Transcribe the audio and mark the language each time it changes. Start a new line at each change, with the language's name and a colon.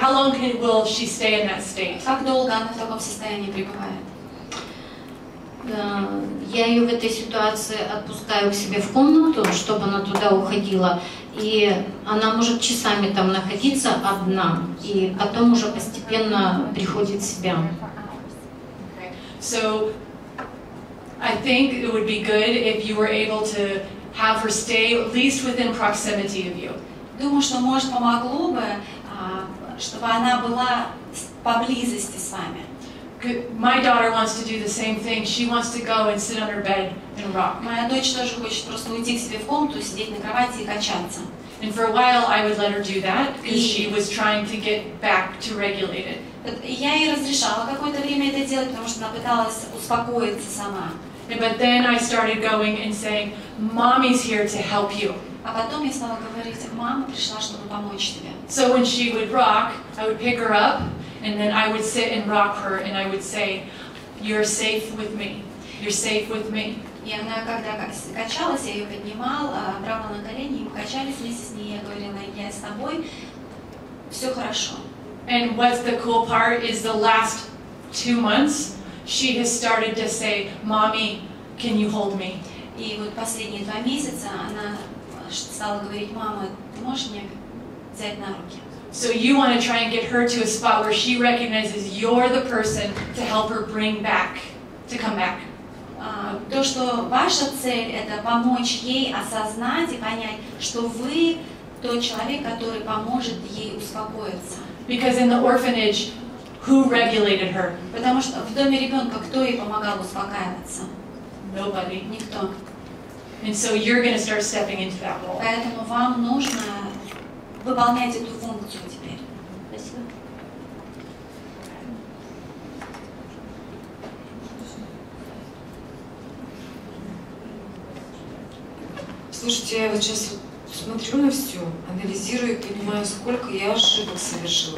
English: How long will she stay in that state?
Russian: Как долго она в таком состоянии пребывает? Я ее в этой ситуации отпускаю к себе в комнату, чтобы она туда уходила, и она может часами там находиться одна, и потом уже постепенно приходит в себя.
English: So, I think it would be good if you were able to have her stay at least within proximity of you.
Russian: Думаю, что может помогло бы, чтобы она была поблизости с вами.
English: My daughter wants to do the same thing. She wants to go and sit on her bed and rock.
Russian: Моя дочь тоже хочет просто уйти к себе в комнату, сидеть на кровати и качаться.
English: And for a while I would let her do that because she was trying to get back to regulate it.
Russian: Я ей разрешала какое-то время это делать, потому что она пыталась успокоиться сама.
English: But then I started going and saying, "Mommy's here to help you."
Russian: А потом я стала говорить: "Мама пришла, чтобы помочь тебе."
English: So when she would rock, I would pick her up, and then I would sit and rock her, and I would say, "You're safe with me. You're safe with me."
Russian: И она когда качалась, я ее поднимала, брала на колени, и мы качались вместе с ней. Я говорила: "Я с тобой, все хорошо."
English: And what's the cool part is the last 2 months, she has started to say, "Mommy, can you hold me?"
Russian: И вот последние 2 месяца она стала говорить: "Мама, ты можешь меня взять на руки?"
English: So you want to try and get her to a spot where she recognizes you're the person to help her bring back, to come back.
Russian: То, что ваша цель, это помочь ей осознать и понять, что вы тот человек, который поможет ей успокоиться.
English: Because in the orphanage, who regulated her?
Russian: Потому что в доме ребенка кто ей помогал успокаиваться?
English: Nobody.
Russian: Никто.
English: And so you're going to start stepping into that role.
Russian: Поэтому вам нужно выполнять эту функцию теперь. Спасибо. Слушайте, я вот сейчас смотрю на все, анализирую и понимаю, сколько я ошибок совершила.